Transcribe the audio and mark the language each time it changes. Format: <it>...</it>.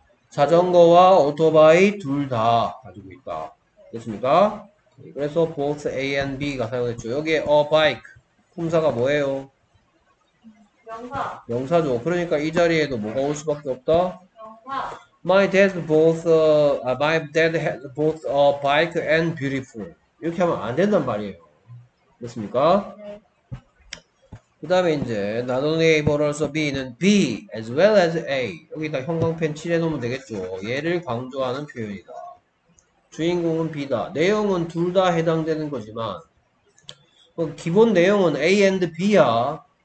<ko>자전거와 오토바이 둘다 가지고 있다. 됐습니까? 그래서 both A and B가 사용됐죠. 여기에 a bike 품사가 뭐예요? 명사죠. 그러니까 이 자리에도 뭐가 올 수밖에 없다.</ko> <en>My dad has both a bike and beautiful.</en> <ko>이렇게 하면 안 된단 말이에요. 그렇습니까? 그 다음에 이제 not only A but also B는 B as well as A. 여기다 형광펜 칠해놓으면 되겠죠. 얘를 강조하는 표현이다. 주인공은 B다. 내용은 둘다 해당되는 거지만 기본 내용은 A and B야.</ko>